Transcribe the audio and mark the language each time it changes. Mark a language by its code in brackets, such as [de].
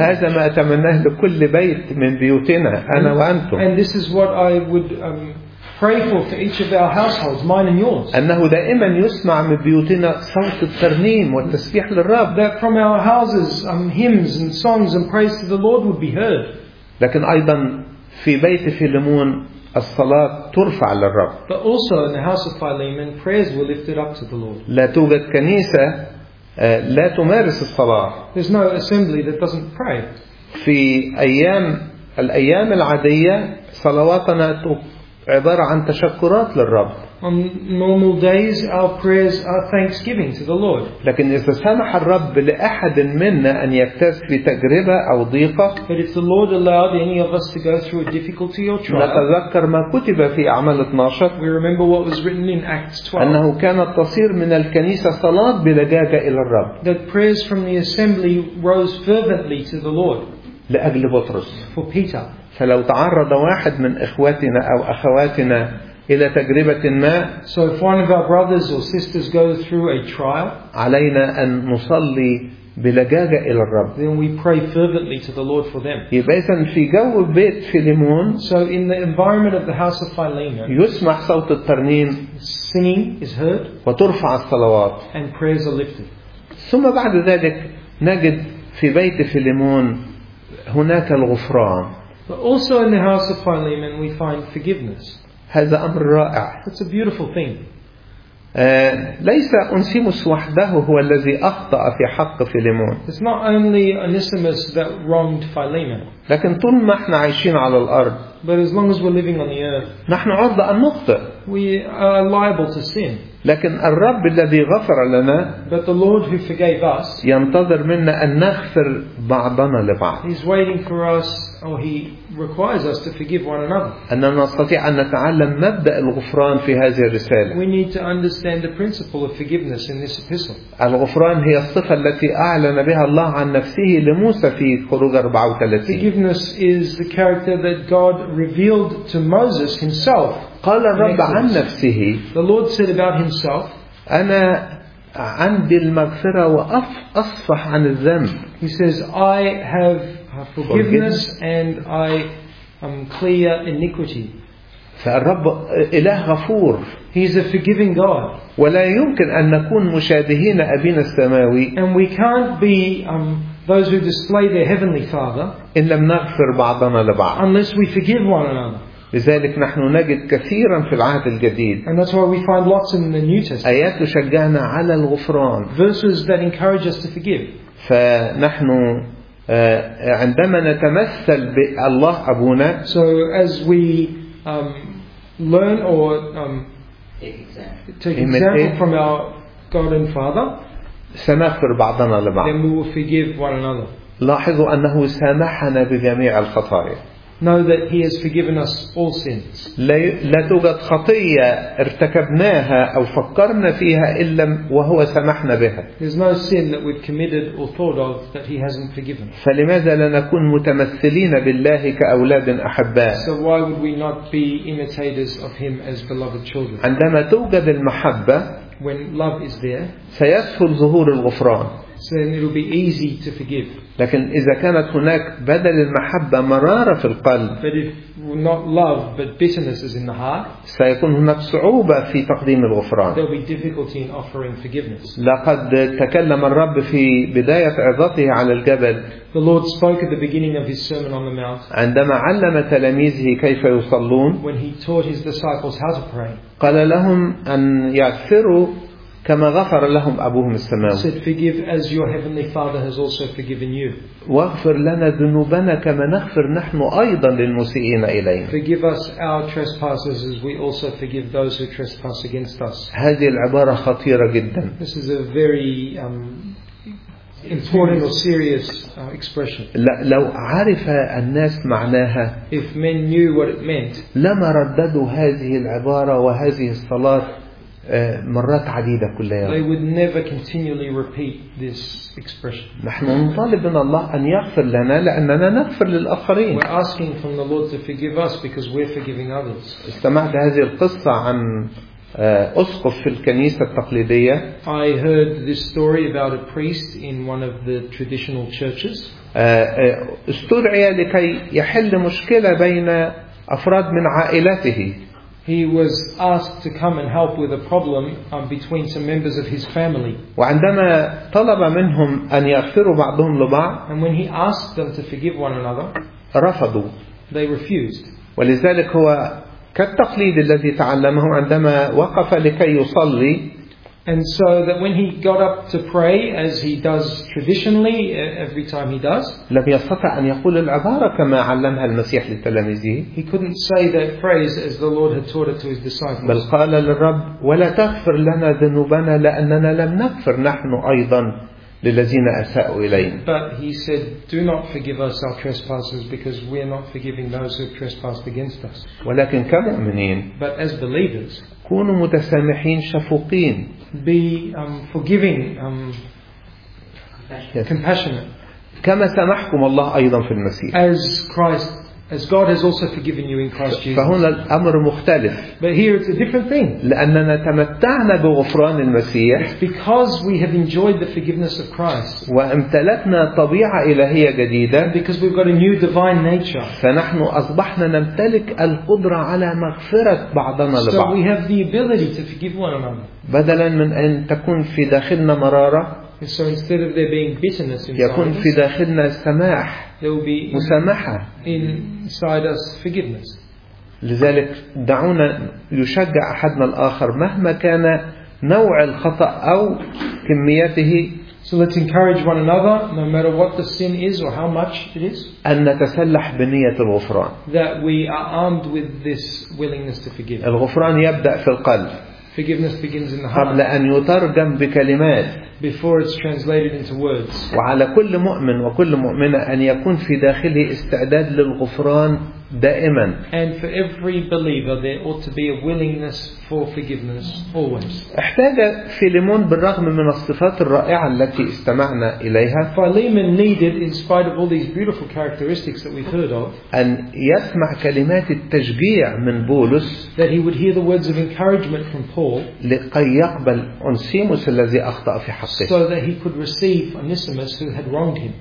[ar] هذا ما أتمناه لكل بيت من بيوتنا أنا وأنتم. [en] And this is what I would pray for each of our households, mine and yours. [ar] أنه دائما يسمع من بيوتنا صوت الترنيم والتسبيح للرب. [en] That from our houses, hymns and songs and praise to the Lord would be heard. [ar] لكن أيضا في بيت فيلمون الصلاة ترفع للرب. [en] But also in the house of Philemon, prayers were lifted up to the Lord. [ar] لا توجد كنيسة لا تمارس الصلاة. [en] There's no assembly that doesn't pray. [ar] في الأيام العادية صلواتنا عبارة عن تشكرات للرب. [en] On normal days, our prayers are thanksgiving to the Lord. [ar] لكن إذا سمح الرب لأحد منا أن يكتسب في تجربة أو ضيقة. [en] But if the Lord allowed any of us to go through a difficulty or trial. [ar] نتذكر ما كتب في أعمال 12. [en] We remember what was written in Acts 12. [ar] أنه كانت تصير من الكنيسة صلاة بلجاجة إلى الرب. [en] That prayers from the assembly rose fervently to the Lord. [ar] لأجل بطرس. [en] For Peter. [ar] فلو تعرض واحد من إخواتنا أو أخواتنا إلى تجربة ما، [en] so if one of our brothers or sisters go through a trial، [ar] علينا أن نصلي بلجاجة إلى الرب. [en] Then we pray fervently to the Lord for them. [ar] إذا في جو بيت فيليمون، [en] so in the environment of the house of Philemon، [ar] يسمع صوت الترنيم، [en] singing is heard، [ar] وترفع الصلوات، [en] and prayers are lifted. [ar] ثم بعد ذلك نجد في بيت فيليمون هناك الغفران. [en] But also in the house of Philemon we find forgiveness. [ar] هذا أمر رائع. [en] It's a beautiful thing. [ar] ليس أنسيموس وحده هو الذي أخطأ في حق فيليمون. [en] It's not only Onesimus that wronged Philemon. [ar] لكن طول ما احنا عايشين على الأرض. [en] But as long as we're living on the earth. [ar] نحن عرضة أن نخطئ. [en] We are liable to sin. [ar] لكن الرب الذي غفر لنا [en] But the Lord who forgave us, [ar] ينتظر منا أن نغفر بعضنا لبعض. [en] He's waiting for us, or he requires us to forgive one another. [ar] أننا نستطيع أن نتعلم مبدأ الغفران في هذه الرسالة. [en] We need to understand the principle of forgiveness in this epistle. [ar] الغفران هي الصفة التي أعلن بها الله عن نفسه لموسى في خروج 34. [en] Forgiveness is the character that God revealed to Moses himself. [ar] قال الرب عن نفسه [en] The Lord said about himself, [ar] أنا عندي المغفرة وأصفح عن الذنب. [en] He says, I have forgiveness and I clear iniquity. [ar] فالرب إله غفور. [en] He is a forgiving God. [ar] ولا يمكن أن نكون مشابهين أبينا السماوي. [en] And we can't be those who display their heavenly Father. [ar] إن لم نغفر بعضنا لبعض. [en] Unless we forgive one another. [ar] لذلك نحن نجد كثيرا في العهد الجديد [en] And that's why we find lots in the New Testament. [ar] آيات تشجعنا على الغفران [en] Verses that encourage us to forgive. [ar] فنحن عندما نتمثل بالله أبونا [en] So as we learn or take example from our God and Father [ar] سنغفر بعضنا لبعض [en] Then we will forgive one another. [ar] لاحظوا أنه سامحنا بجميع الخطايا [en] Know that He has forgiven us all sins. [ar] لا توجد خطية ارتكبناها أو فكرنا فيها إلا وهو سمحنا بها. [en] There's no sin that we've committed or thought of that He hasn't forgiven. [ar] فلماذا لا نكون متمثلين بالله كأولاد أحباء؟ [en] So why would we not be imitators of Him as beloved children? [ar] عندما توجد المحبة [en] when love is there [ar] سيسهل ظهور الغفران. [en] so then it'll be easy to forgive. [ar] لكن إذا كانت هناك بدل المحبة مرارة في القلب. [en] But if not love but bitterness is in the heart. [ar] سيكون هناك صعوبة في تقديم الغفران. [en] There'll be difficulty in offering forgiveness. [ar] لقد تكلم الرب في بداية عظته على الجبل. [en] The Lord spoke at the beginning of His Sermon on the Mount. [ar] عندما علم تلاميذه كيف يصلون. [en] When He taught His disciples how to pray. [ar] قال لهم أن يعثروا كما غفر لهم أبوهم السماوي. [en] Said, forgive as your heavenly Father has also forgiven you. [ar] واغفر لنا ذنوبنا كما نغفر نحن أيضا للمسيئين إلينا. [en] Forgive us our trespasses as we also forgive those who trespass against us. [ar] هذه العبارة خطيرة جدا. [en] This is a very important or serious expression. [ar] لو عرف الناس معناها. [en] If men knew what it meant. [ar] لما رددوا هذه العبارة وهذه الصلاة. مرات عديدة كل يوم. [en] They would never continually repeat this expression. [ar] نحن نطالب من الله أن يغفر لنا لأننا نغفر للآخرين. [en] We're asking from the Lord to forgive us because we're forgiving others. [ar] استمعت هذه القصة عن أسقف في الكنيسة التقليدية. [en] I heard this story about a priest in one of the traditional churches. [ar] استدعي لكي يحل مشكلة بين أفراد من عائلته. [en] He was asked to come and help with a problem between some members of his family. [ar] وعندما طلب منهم أن يغفروا بعضهم لبعض. [en] And when he asked them to forgive one another. [ar] رفضوا. [en] They refused. [ar] ولذلك هو كالتقليد الذي تعلمه عندما وقف لكي يصلي. [en] And so that when he got up to pray, as he does traditionally every time he does, [ar] لم يستطع أن يقول العبارة كما علمها المسيح للتلاميذ. [en] He couldn't say that phrase as the Lord had taught it to his disciples. [ar] بل قال للرب ولا تغفر لنا ذنوبنا لأننا لم نغفر نحن أيضا للذين أساءوا إلينا. [en] But he said, "Do not forgive us our trespasses, because we are not forgiving those who have trespassed against us." [ar] ولكن كمؤمنين. [en] But as believers. [ar] كونوا متسامحين شفوقين. [en] Be forgiving, compassionate. [ar] كما سامحكم الله أيضا في المسيح. [en] As Christ, as God has also forgiven you in Christ Jesus. [ar] فهنا الأمر مختلف. [en] But here it's a different thing. [ar] لأننا تمتعنا بغفران المسيح. [en] It's because we have enjoyed the forgiveness of Christ. [ar] وامتلكنا طبيعة إلهية جديدة. [en] And because we've got a new divine nature. [ar] فنحن أصبحنا نمتلك القدرة على مغفرة بعضنا لبعض. [en] So we have the ability to forgive one another. [ar] بدلا من أن تكون في داخلنا مرارة. [en] So instead of there being bitterness inside, [ar] يكون في داخلنا سماح. [en] There will be [ar] مسامحة. [en] Inside us forgiveness. [ar] لذلك دعونا يشجع أحدنا الآخر مهما كان نوع الخطأ أو كميته. [en] So let's encourage one another, no matter what the sin is or how much it is. [ar] أن نتسلح بنية الغفران. [en] That we are armed with this willingness to forgive. [ar] الغفران يبدأ في القلب. [en] Forgiveness begins in the heart. [ar] قبل أن يترجم بكلمات. [en] Before it's translated into words. [ar] وعلى كل مؤمن وكل مؤمنة أن يكون في داخله استعداد للغفران دائما. [en] And for every believer, there ought to be a willingness for forgiveness always. [ar] احتاج فيليمون بالرغم من الصفات الرائعة التي استمعنا إليها. [en] Philemon needed, in spite of all these beautiful characteristics that we've heard of, [ar] أن يسمع كلمات التشجيع من بولس. [en] That he would hear the words of encouragement from Paul. [ar] لكي يقبل أنسيموس الذي أخطأ في حقه. [en] So that he could receive Onesimus who had wronged him.